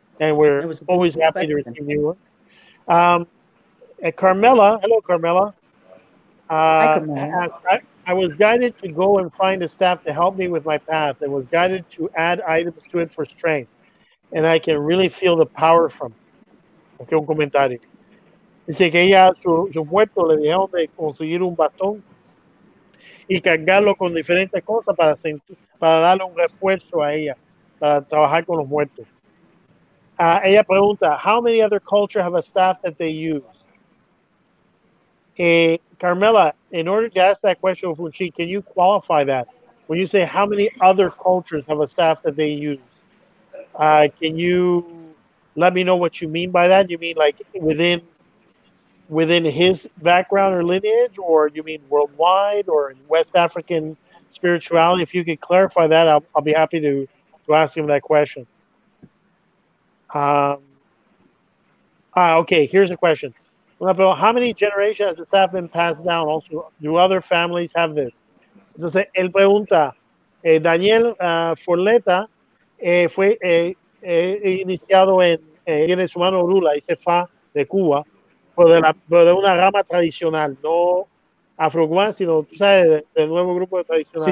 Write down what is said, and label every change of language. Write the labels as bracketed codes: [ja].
[en] And we're always happy to receive you. Carmela, hello, Carmela. I was guided to go and find a staff to help me with my path, and was guided to add items to it for strength, and I can really feel the power from it. [es] Aquí un comentario. Dice que ella su muerto le dijeron de conseguir un bastón y cargarlo con diferentes cosas para darle un refuerzo a ella, para trabajar con los muertos. Ella pregunta, [en] how many other cultures have a staff that they use? Carmela, in order to ask that question, Funchi, can you qualify that? When you say, how many other cultures have a staff that they use? Can you let me know what you mean by that? You mean like within his background or lineage, or you mean worldwide or in West African spirituality? If you could clarify that, I'll be happy to ask him that question. Okay, here's a question. How many generations has the staff been passed down? Also, do other families have this? [es] Entonces, él pregunta, Daniel Forleta fue iniciado en su mano Orula, y se fa de Cuba. De una rama tradicional, no afro-cubana, sino, tú sabes, del nuevo grupo de tradicional.